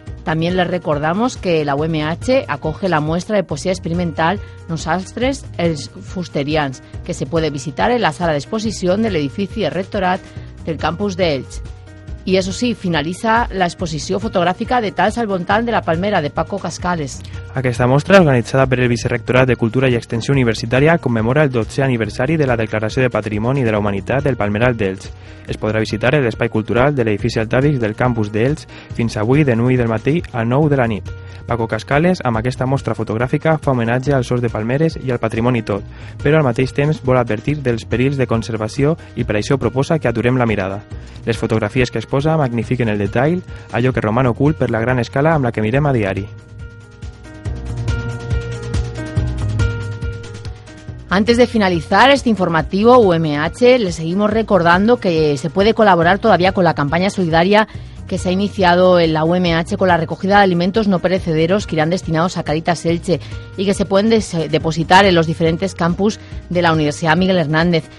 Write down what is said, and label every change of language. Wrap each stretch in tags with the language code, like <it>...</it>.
<es>También les recordamos que la UMH acoge la muestra de poesía experimental Nosaltres els Fusterians, que se puede visitar en la sala de exposición del edificio Rectorat del campus de Elche. Y eso sí, finaliza la exposición fotográfica de Tals al Voltant de la Palmera, de Paco Cascales.</es> <ca>Aquesta mostra, organitzada per el Vicerrectorat de Cultura i Extensió Universitària, commemora el 12è aniversari de la Declaració de Patrimoni de la Humanitat del Palmeral d'Elx. Es podrà visitar l'espai cultural de l'edifici Altavix del campus d'Elx fins avui de 9 del matí a 9 de la nit. Paco Cascales, amb aquesta mostra fotogràfica, fa homenatge als sors de palmeres i al patrimoni tot, però al mateix temps vol advertir dels perills de conservació i per això proposa que aturem la mirada. Les fotografies que exposa magnifiquen el detall, allò que roman ocult per la gran escala amb la que mirem a diari.</ca> <es>Antes de finalizar este informativo UMH, le seguimos recordando que se puede colaborar todavía con la campaña solidaria que se ha iniciado en la UMH con la recogida de alimentos no perecederos que irán destinados a Caritas Elche y que se pueden depositar en los diferentes campus de la Universidad Miguel Hernández.</es>